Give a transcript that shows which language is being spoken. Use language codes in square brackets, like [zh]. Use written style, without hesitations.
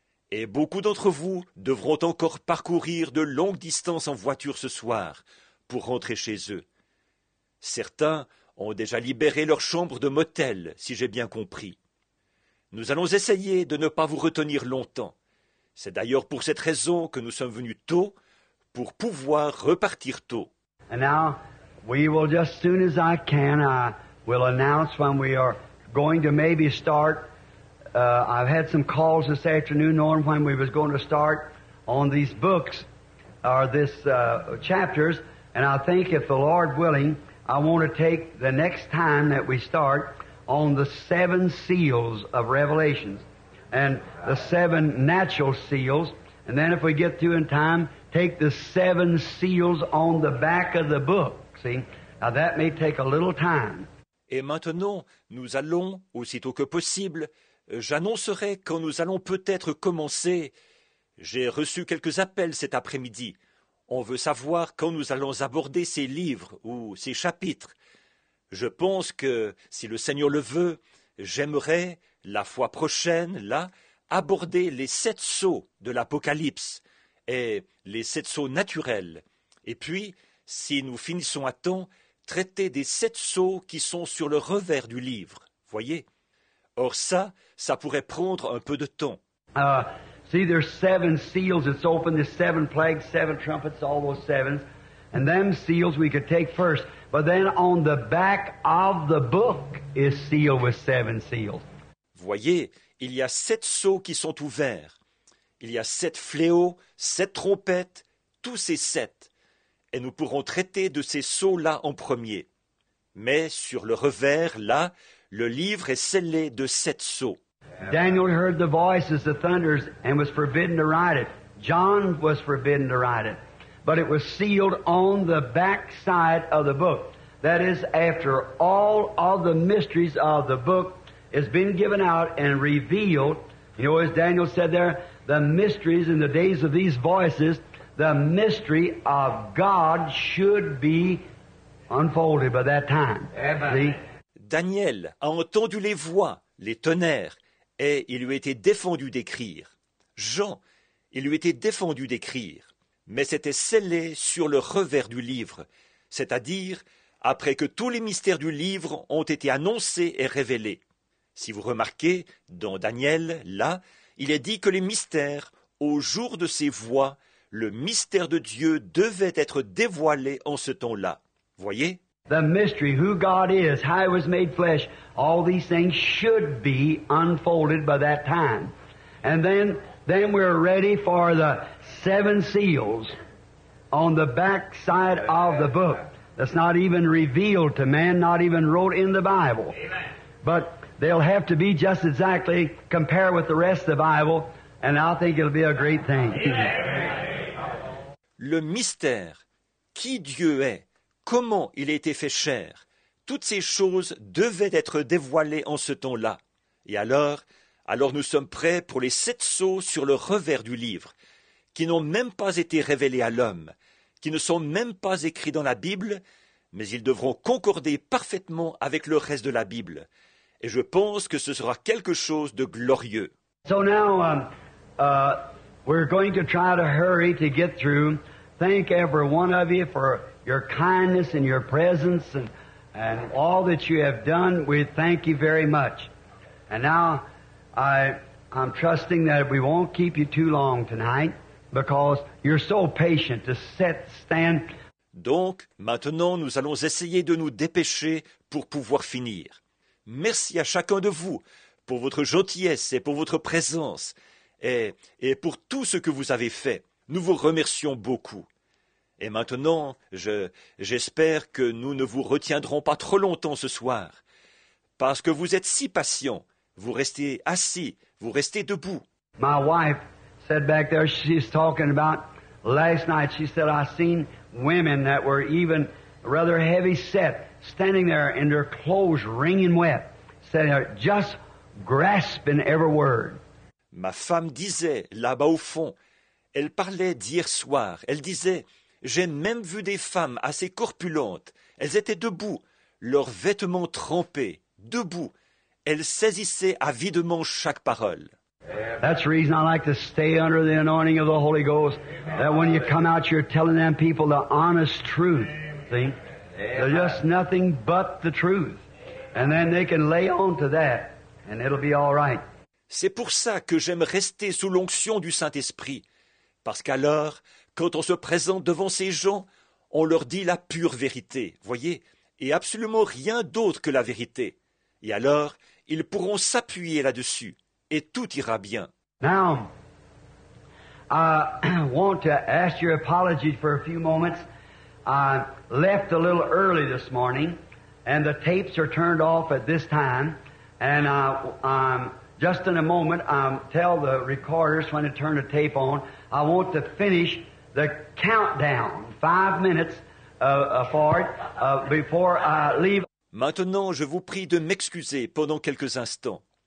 [fr] Et beaucoup d'entre vous devront encore parcourir de longues distances en voiture ce soir, pour rentrer chez eux. Certains ont déjà libéré leur chambre de motel, si j'ai bien compris. Nous allons essayer de ne pas vous retenir longtemps. C'est d'ailleurs pour cette raison que nous sommes venus tôt, pour pouvoir repartir tôt. [en] And now, we will just as soon as I can, I will announce when we are going to maybe start. I've had some calls this afternoon, Norm, when we was going to start on these books, or this chapters, and I think if the Lord willing, I want to take the next time that we start on the seven seals of Revelation and the seven natural seals. And then if we get through in time, take the seven seals on the back of the book. See, now that may take a little time. [fr] Et maintenant, nous allons, aussitôt que possible, j'annoncerai quand nous allons peut-être commencer. J'ai reçu quelques appels cet après-midi. On veut savoir quand nous allons aborder ces livres ou ces chapitres. Je pense que, si le Seigneur le veut, j'aimerais, la fois prochaine, là, aborder les sept sceaux de l'Apocalypse et les sept sceaux naturels. Et puis, si nous finissons à temps, traiter des sept sceaux qui sont sur le revers du livre, voyez. Or ça pourrait prendre un peu de temps. [en] See, there's seven seals. It's open. There's seven plagues, seven trumpets, all those sevens. And them seals we could take first. But then on the back of the book is sealed with seven seals. [fr] Voyez, il y a sept sceaux qui sont ouverts. Il y a sept fléaux, sept trompettes, tous ces sept. Et nous pourrons traiter de ces sceaux-là en premier. Mais sur le revers, là, le livre est scellé de sept sceaux. [en] Daniel heard the voices, the thunders, and was forbidden to write it. John was forbidden to write it. But it was sealed on the back side of the book. That is, after all of the mysteries of the book has been given out and revealed, you know, as Daniel said there, the mysteries in the days of these voices, the mystery of God should be unfolded by that time. Amen. See? [fr] Daniel a entendu les voix, les tonnerres, et il lui était défendu d'écrire. Jean, il lui était défendu d'écrire. Mais c'était scellé sur le revers du livre, c'est-à-dire après que tous les mystères du livre ont été annoncés et révélés. Si vous remarquez, dans Daniel, là, il est dit que les mystères, au jour de ces voix, le mystère de Dieu devait être dévoilé en ce temps-là. Voyez ? [en] The mystery, who God is, how He was made flesh, all these things should be unfolded by that time. And then we're ready for the seven seals on the back side of the book. That's not even revealed to man, not even wrote in the Bible. Amen. But they'll have to be just exactly compared with the rest of the Bible And I think it'll be a great thing. [fr] Le mystère, qui Dieu est, comment il a été fait chair, toutes ces choses devaient être dévoilées en ce temps-là. Et alors nous sommes prêts pour les sept sceaux sur le revers du livre, qui n'ont même pas été révélés à l'homme, qui ne sont même pas écrits dans la Bible, mais ils devront concorder parfaitement avec le reste de la Bible. Et je pense que ce sera quelque chose de glorieux. [en] So now, we're going to try to hurry to get through. Thank every one of you for your kindness and your presence and all that you have done. We thank you very much. And now, I'm trusting that we won't keep you too long tonight because you're so patient to stand. [fr] Donc, maintenant, nous allons essayer de nous dépêcher pour pouvoir finir. Merci à chacun de vous pour votre gentillesse et pour votre présence et pour tout ce que vous avez fait. Nous vous remercions beaucoup. Et maintenant, j'espère que nous ne vous retiendrons pas trop longtemps ce soir, parce que vous êtes si patient. Vous restez assis, vous restez debout. [en] My wife said back there, she's talking about last night, she said, I seen women that were even rather heavy set, standing there in their clothes wringing wet, standing there just grasping every word. [fr] Ma femme disait, là-bas au fond, elle parlait d'hier soir, elle disait, j'ai même vu des femmes assez corpulentes, elles étaient debout, leurs vêtements trempés, debout, elles saisissaient avidement chaque parole. [en] That's the reason I like to stay under the anointing of the Holy Ghost. That when you come out, you're telling them people the honest truth. See? They're just nothing but the truth. And then they can lay on to that, and it'll be all right. [fr] C'est pour ça que j'aime rester sous l'onction du Saint-Esprit. Parce qu'alors, quand on se présente devant ces gens, on leur dit la pure vérité, voyez? Et absolument rien d'autre que la vérité. Et alors, ils pourront s'appuyer là-dessus. Et tout ira bien. [en] Now, I want to ask your apology for a few moments. I left a little early this morning, and the tapes are turned off at this time. And I'm just in a moment, I'll tell the recorders when to turn the tape on. I want to finish the countdown, 5 minutes before I leave. [fr] Maintenant, je vous prie de m'excuser pendant quelques instants.